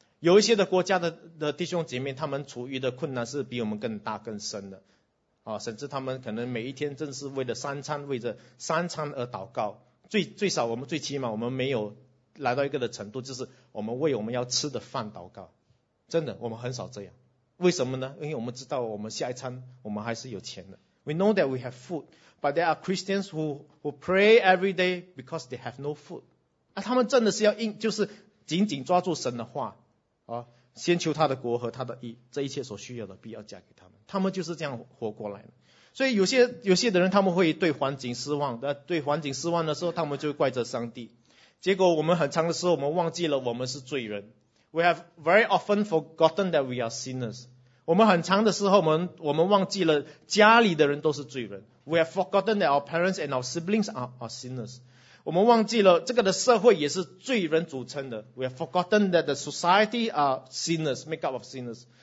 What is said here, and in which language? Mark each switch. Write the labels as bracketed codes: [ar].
[zh] 有一些的国家 的弟兄姐妹，他们处于的困难是比我们更大更深的甚至他们可能每一天正是为了三餐，为着三餐而祷告。最少我们最起码我们没有来到一个的程度，就是我们为我们要吃的饭祷告，真的我们很少这样。为什么呢？因为我们知道我们下一餐我们还是有钱的。 [en] We know that we have food, but there are Christians who pray every day because they have no food. [zh] 他们真的是要就是紧紧抓住神的话先求他的国和他的义，这一切所需要的必要加给他们。他们就是这样活过来的。所以有些的人他们会对环境失望，对环境失望的时候他们就怪着上帝。结果我们很长的时候我们忘记了我们是罪人。 [en] We have very often forgotten that we are sinners. [zh] 我们很长的时候我们忘记了家里的人都是罪人。 [en] We have forgotten that our parents and our siblings are sinners. [zh] 我们忘记了这个的社会也是罪人组成的。 [en] We have forgotten that the society are sinners, make up of sinners.